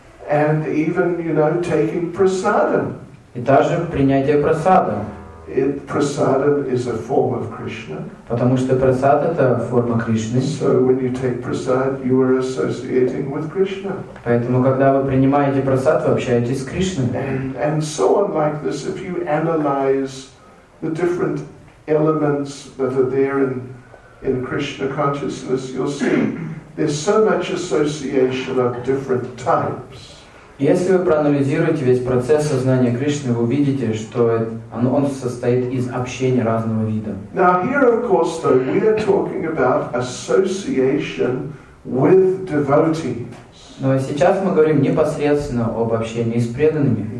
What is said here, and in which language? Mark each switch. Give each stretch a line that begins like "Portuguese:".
English: And even, you know, taking prasadam.
Russian: И также принятие прасада.
English: Prasadam is a form of Krishna.
Russian: Потому что прасад это форма Кришны.
English: So when you take prasad, you are associating with Krishna.
Russian: Поэтому когда вы принимаете прасад, вы общаетесь с Кришной.
English: And so on like this, if you analyze the different elements that are there in Krishna consciousness, you'll see there's so much association of different types.
Russian: Если вы проанализируете весь процесс сознания Кришны, вы увидите, что он состоит из общения разного вида.
English: Now here, of course, though, we are talking about association with devotees.
Russian: Но сейчас мы говорим непосредственно об общении с преданными.